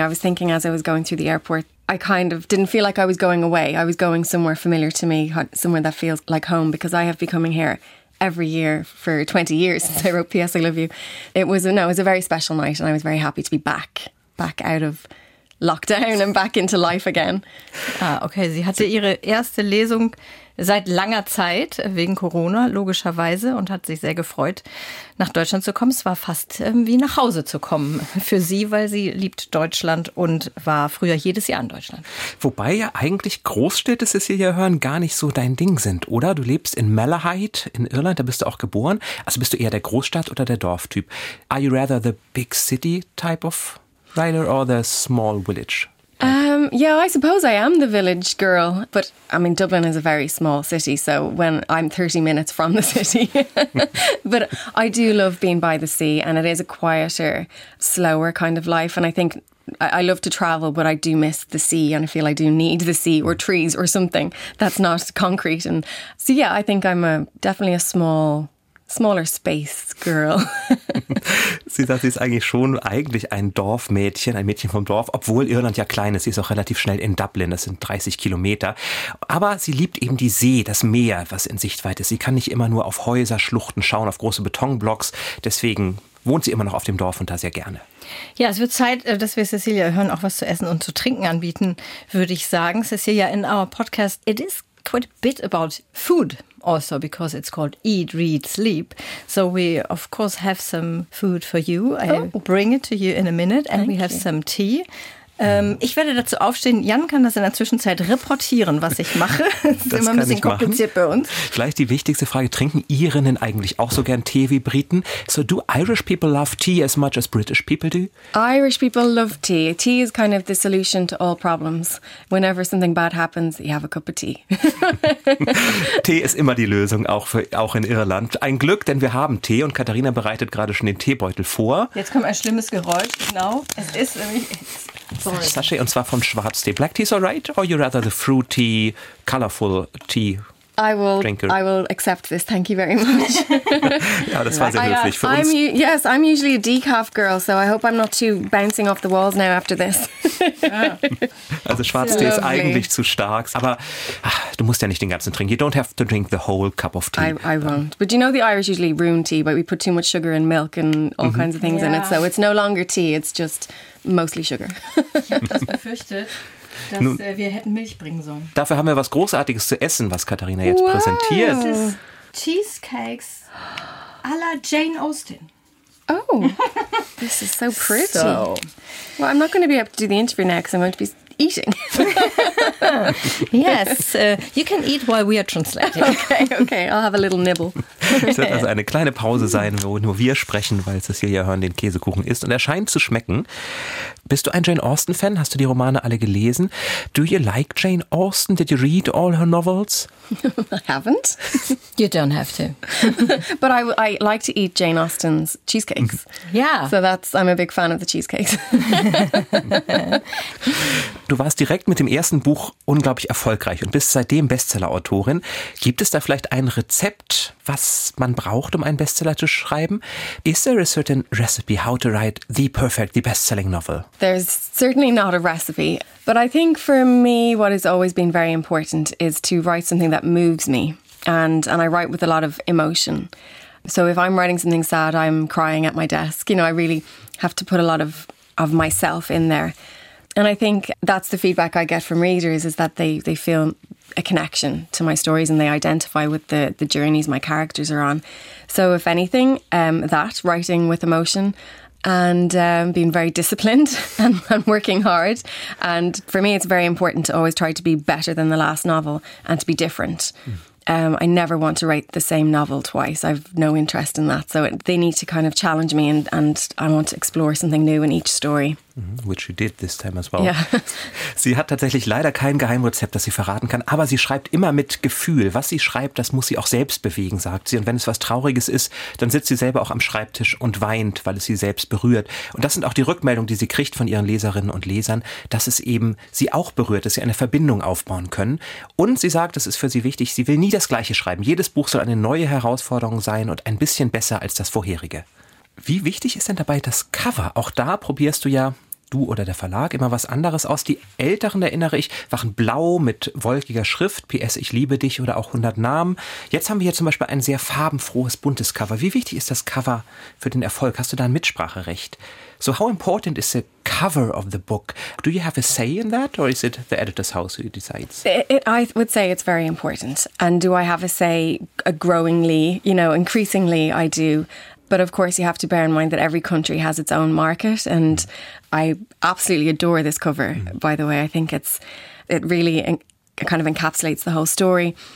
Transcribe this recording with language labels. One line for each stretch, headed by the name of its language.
English: I was thinking as I was going through the airport, I kind of didn't feel like I was going away. I was going somewhere familiar to me, somewhere that feels like home, because I have been coming here every year for 20 years since I wrote P.S. I Love You. It was a very special night. And I was very happy to be back out of lockdown and back into life again.
German: Ah, okay, sie hatte ihre erste Lesung seit langer Zeit, wegen Corona logischerweise, und hat sich sehr gefreut, nach Deutschland zu kommen. Es war fast wie nach Hause zu kommen für sie, weil sie liebt Deutschland und war früher jedes Jahr in Deutschland. Wobei ja eigentlich Großstädte, Cecilia Hoerrn, gar nicht so dein Ding sind, oder? Du lebst in Malahide in Irland, da bist du auch geboren. Also bist du eher der Großstadt- oder der Dorftyp?
English: Are you rather the big city type of writer or the small village? Yeah, I suppose I am the village girl, but I mean, Dublin is a very small city, so when I'm 30 minutes from the city, but I do love being by the sea and it is a quieter, slower kind of life. And I think I love to travel, but I do miss the sea and I feel I do need the sea or trees or something that's not concrete. And so, yeah, I think I'm definitely a small smaller space girl.
German: Sie sagt, sie ist eigentlich schon eigentlich ein Dorfmädchen, ein Mädchen vom Dorf, obwohl Irland ja klein ist. Sie ist auch relativ schnell in Dublin, das sind 30 Kilometer. Aber sie liebt eben die See, das Meer, was in Sichtweite ist. Sie kann nicht immer nur auf Häuser, Schluchten schauen, auf große Betonblocks. Deswegen wohnt sie immer noch auf dem Dorf und da sehr gerne. Ja, es wird Zeit, dass wir Cecilia hören, auch was zu essen und zu trinken anbieten, würde ich sagen.
English: Cecilia, in our podcast, it is quite a bit about food also, because it's called Eat, Read, Sleep. So we, of course, have some food for you. I'll bring it to you in a minute and we have some tea.
German: Ich werde dazu aufstehen. Jan kann das in der Zwischenzeit reportieren, was ich mache. Das ist immer ein bisschen kompliziert bei uns. Vielleicht die wichtigste Frage, trinken Irinnen eigentlich auch so gern Tee wie Briten?
English: So do Irish people love tea as much as British people do? Irish people love tea. Tea is kind of the solution to all problems. Whenever something bad happens, you have a cup of tea.
German: Tee ist immer die Lösung, auch in Irland. Ein Glück, denn wir haben Tee und Katharina bereitet gerade schon den Teebeutel vor. Jetzt kommt ein schlimmes Geräusch, genau. Es ist nämlich... Sascha, und zwar von Schwarztee.
English: Black tea is all right, or you rather the fruity, colorful tea drinker? I will accept this. Thank you very much.
German: Ja, das war sehr höflich für uns.
English: I'm usually a decaf girl, so I hope I'm not too bouncing off the walls now after this.
German: Also Schwarztee ist eigentlich zu stark, aber du musst ja nicht den ganzen trinken.
English: You don't have to drink the whole cup of tea. I won't. But you know the Irish usually ruin tea, but we put too much sugar and milk and all kinds of things in it, so it's no longer tea, it's just... Mostly sugar.
German: Ich habe das befürchtet, dass wir hätten Milch bringen sollen. Dafür haben wir was Großartiges zu essen, was Katharina jetzt präsentiert. Das ist Cheesecakes à la Jane Austen.
English: Oh, this is so pretty. So. Well, I'm not going to be able to do the interview now because I'm going to be eating. Yes, you can eat while we are translating. Okay, I'll have a little nibble.
German: Es wird also eine kleine Pause sein, wo nur wir sprechen, weil Cecilia Hearn den Käsekuchen isst und er scheint zu schmecken. Bist du ein Jane Austen-Fan? Hast du die Romane alle gelesen?
English: Do you like Jane Austen? Did you read all her novels? I haven't. You don't have to. But I like to eat Jane Austen's cheesecakes. Yeah. So that's, I'm a big fan of the cheesecakes.
German: Du warst direkt mit dem ersten Buch unglaublich erfolgreich und bist seitdem Bestseller-Autorin. Gibt es da vielleicht ein Rezept, was man braucht, um einen Bestseller zu schreiben?
English: Is there a certain recipe how to write the best-selling novel? There's certainly not a recipe, but I think for me what has always been very important is to write something that moves me, and I write with a lot of emotion. So if I'm writing something sad, I'm crying at my desk. You know, I really have to put a lot of myself in there. And I think that's the feedback I get from readers is that they feel a connection to my stories and they identify with the journeys my characters are on. So if anything, that writing with emotion and being very disciplined and working hard. And for me, it's very important to always try to be better than the last novel and to be different. Mm. I never want to write the same novel twice. I've no interest in that. So they need to kind of challenge me and I want to explore something new in each story. Which she did this time as well. Yeah.
German: Sie hat tatsächlich leider kein Geheimrezept, das sie verraten kann, aber sie schreibt immer mit Gefühl. Was sie schreibt, das muss sie auch selbst bewegen, sagt sie. Und wenn es was Trauriges ist, dann sitzt sie selber auch am Schreibtisch und weint, weil es sie selbst berührt. Und das sind auch die Rückmeldungen, die sie kriegt von ihren Leserinnen und Lesern, dass es eben sie auch berührt, dass sie eine Verbindung aufbauen können. Und sie sagt, das ist für sie wichtig, sie will nie das Gleiche schreiben. Jedes Buch soll eine neue Herausforderung sein und ein bisschen besser als das vorherige. Wie wichtig ist denn dabei das Cover? Auch da probierst du ja... Du oder der Verlag, immer was anderes aus. Die Älteren, erinnere ich, waren blau mit wolkiger Schrift, PS, ich liebe dich oder auch 100 Namen. Jetzt haben wir hier zum Beispiel ein sehr farbenfrohes, buntes Cover. Wie wichtig ist das Cover für den Erfolg? Hast du da ein Mitspracherecht?
English: So how important is the cover of the book? Do you have a say in that or is it the editor's house who decides? I would say it's very important. And do I have a say growingly, you know, increasingly I do. But of course, you have to bear in mind that every country has its own market. And I absolutely adore this cover, by the way. I think it really kind of encapsulates the whole story.